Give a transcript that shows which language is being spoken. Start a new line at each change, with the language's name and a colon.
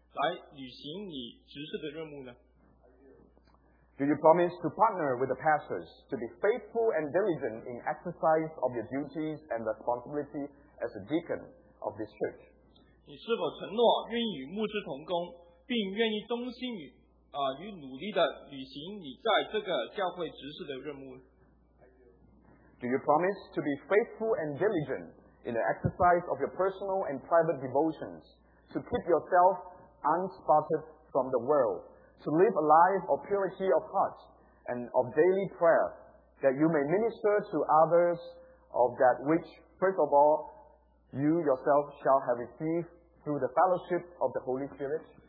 Chinese: 你是否赞同美南基金会的2000年新兴会信仰与信息，并且你是否愿意依据教会的宪法及章程来履行你职事的任务呢？
English: Do you promise to partner with the pastors to be faithful and diligent in exercise of your duties and responsibility as a deacon of this church?
Chinese: 你是否承诺愿意与牧师同工，并愿意忠心与努力地履行你在这个教会职事的任务？
English: Do you promise to be faithful and diligent in the exercise of your personal and private devotions to keep yourself unspotted from the world? To live a life of purity of heart and of daily prayer, that you may minister to others of that which, first of all, you yourself shall have received through the fellowship of the Holy Spirit?